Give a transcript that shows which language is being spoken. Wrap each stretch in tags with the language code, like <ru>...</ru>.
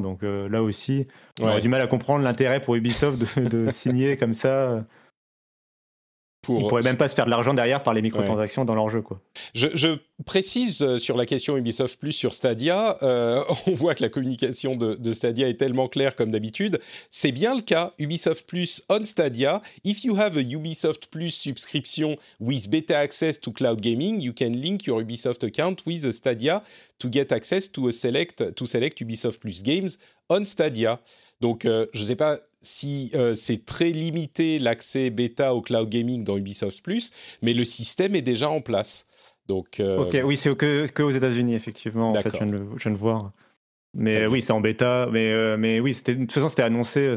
<fr>Donc là aussi, ouais, on aurait du mal à comprendre l'intérêt pour Ubisoft de signer comme ça. Ils pourraient même pas se faire de l'argent derrière par les microtransactions, ouais, dans leur jeu, quoi. Je précise sur la question Ubisoft Plus sur Stadia, on voit que la communication de Stadia est tellement claire comme d'habitude. C'est bien le cas, Ubisoft Plus on Stadia.</fr> <en>If you have a Ubisoft Plus subscription with beta access to cloud gaming, you can link your Ubisoft account with Stadia to get access to select Ubisoft Plus games on Stadia.</en> <fr>Donc, je sais pas si c'est très limité l'accès bêta au cloud gaming dans Ubisoft Plus, mais le système est déjà en place. Donc, Ok, oui, c'est que aux États-Unis effectivement. En fait, je viens de voir. Mais oui, c'est en bêta. Mais oui, c'était, de toute façon, c'était annoncé.</fr>